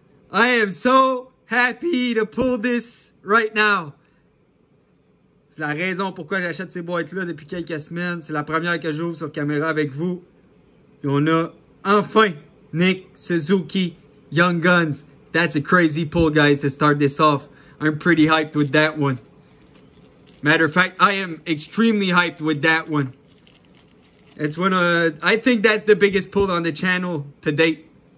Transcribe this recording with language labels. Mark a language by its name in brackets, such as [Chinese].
[English] I am so happy to pull this right now. [French] C'est la raison pourquoi j'achète ces boîtes-là depuis quelques semaines. C'est la première que j'ouvre sur caméra avec vous. Et on a enfin Nick Suzuki Young Guns. [English] That's a crazy pull, guys, to start this off. I'm pretty hyped with that one. Matter of fact, I am extremely hyped with that one. It's one of, I think that's the biggest pull on the channel to date.